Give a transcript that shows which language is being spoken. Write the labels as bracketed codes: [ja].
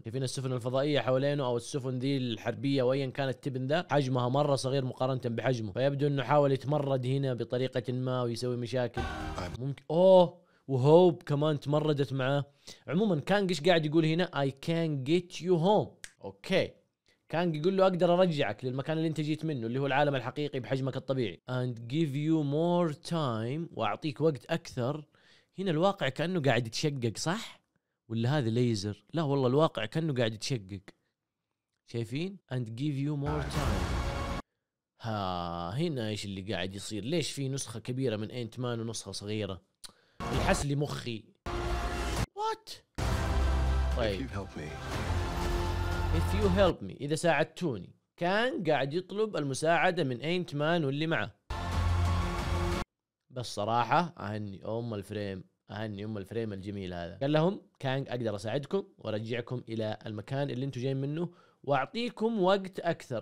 [ar] شايفين السفن الفضائية حوالينه أو السفن ذي الحربية وأيا كانت تبن ذا، حجمها مرة صغير مقارنة بحجمه، فيبدو أنه حاول يتمرد هنا بطريقة ما ويسوي مشاكل. ممكن أوه وهوب كمان تمردت معه. عموما كانغ إيش قاعد يقول هنا؟ [en] I can get you home. [ar] أوكي كانغ يقول له أقدر أرجعك للمكان اللي أنت جيت منه اللي هو العالم الحقيقي بحجمك الطبيعي. [en] And give you more time، [ar] وأعطيك وقت أكثر. هنا الواقع كأنه قاعد يتشقق صح؟ ولا هذا ليزر؟ لا والله الواقع كأنه قاعد يتشقق، شايفين؟ [en] And give you more time. [ar] ها هنا إيش اللي قاعد يصير؟ ليش في نسخة كبيرة من أنت مان ونسخة صغيرة؟ الحس لي مخي. [en] What؟ [ar] طيب. [en] If you help me، [ar] إذا ساعدتوني. كان قاعد يطلب المساعدة من أينت مان واللي معه. بس صراحة أهني أم الفريم، أهني أم الفريم الجميل هذا. قال لهم كان أقدر أساعدكم ورجعكم إلى المكان اللي أنتوا جايين منه وأعطيكم وقت أكثر.